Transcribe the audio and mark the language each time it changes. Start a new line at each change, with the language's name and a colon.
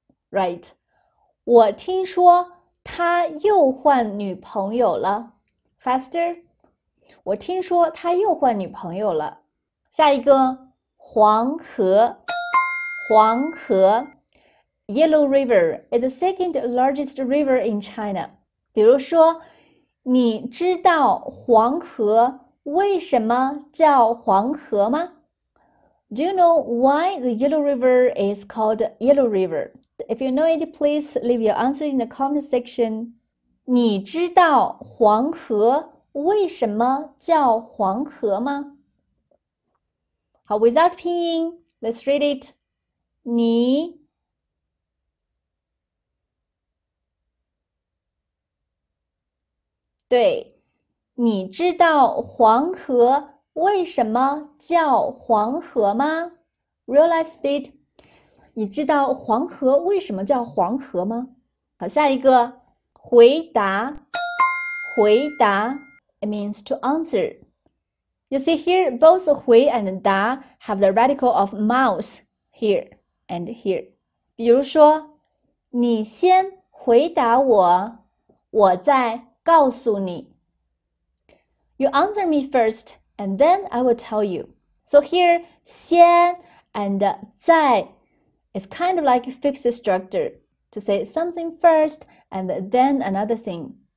English: Right.
Chinese: 我听说他又换女朋友了。
English: Faster.
Chinese: 我听说他又换女朋友了。下一个，黄河。黄河。
English: Yellow River is the second largest river in China.
Chinese: 比如说，你知道黄河为什么叫黄河吗？
English: Do you know why the Yellow River is called Yellow River? If you know it, please leave your answer in the comment section.
Chinese: 你知道黄河为什么叫黄河吗？好，
English: without 拼音，let's read it。
Chinese: 你对，你知道黄河为什么叫黄河吗？
English: Real life speed，
Chinese: 你知道黄河为什么叫黄河吗？好，下一个回答，回答 ，
English: it means to answer。 You see here, both 回 and 答 have the radical of mouth here and here.
Chinese: 比如说，你先回答我，我再告诉你。
English: You answer me first, and then I will tell you. So here, 先 and 再 is kind of like a fixed structure to say something first and then another thing.